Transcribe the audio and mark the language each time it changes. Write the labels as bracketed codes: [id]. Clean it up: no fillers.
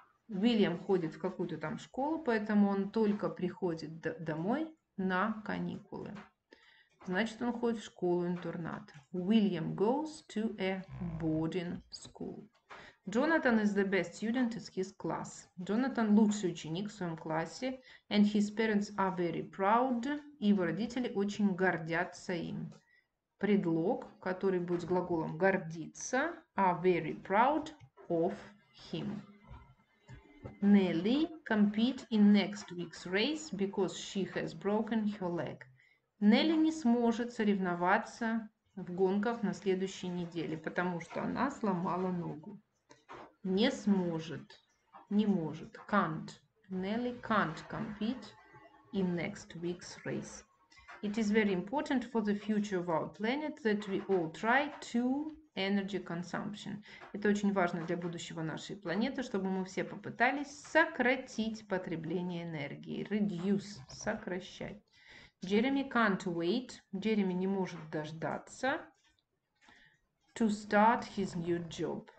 [ru] William ходит в какую-то там школу, поэтому он только приходит домой на каникулы. Значит, он ходит в школу-интернат. [en] William goes to a boarding school. Jonathan is the best student in his class. Jonathan [ru] лучший ученик в своем классе. [en] And his parents are very proud. [ru] Его родители очень гордятся им. Предлог, который будет с глаголом гордиться, [en] are very proud of him. Nelly compete in next week's race because she has broken her leg. [ru] Nelly не сможет соревноваться в гонках на следующей неделе, потому что она сломала ногу. Не сможет, не может, [en] can't. Nelly can't compete in next week's race. It is very important for the future of our planet that we all try to energy consumption. [ru] Это очень важно для будущего нашей планеты, чтобы мы все попытались сократить потребление энергии. [en] Reduce, сокращать. Jeremy can't wait. Jeremy [ru] не может дождаться [en] to start his new job.